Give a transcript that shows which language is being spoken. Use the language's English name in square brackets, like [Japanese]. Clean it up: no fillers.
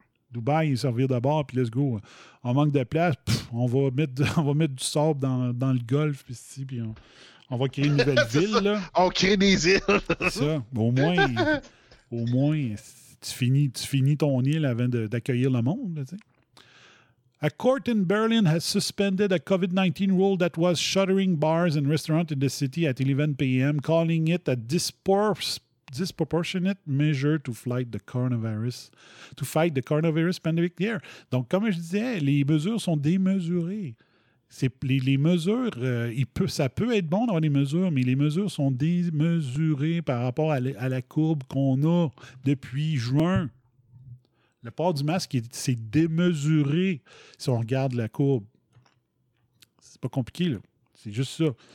[French] Dubaï, servir de bord, puis [English] let's go. [French] On manque de place, on va mettre du sable dans le golfe, puis on va créer une nouvelle ville. Là. On crée des îles. C'est ça. Au moins, Tu finis ton île avant d'accueillir le monde. [English] Là, a court in Berlin has suspended a COVID-19 rule that was shuttering bars and restaurants in the city at 11 p.m., calling it a disproportionate measure to fight the coronavirus pandemic there. [French] Donc, comme je disais, les mesures sont démesurées. Les mesures, ça peut être bon d'avoir des mesures, mais les mesures sont démesurées par rapport à la courbe qu'on a depuis juin. Le port du masque, c'est démesuré si on regarde la courbe. C'est pas compliqué, là. C'est juste ça.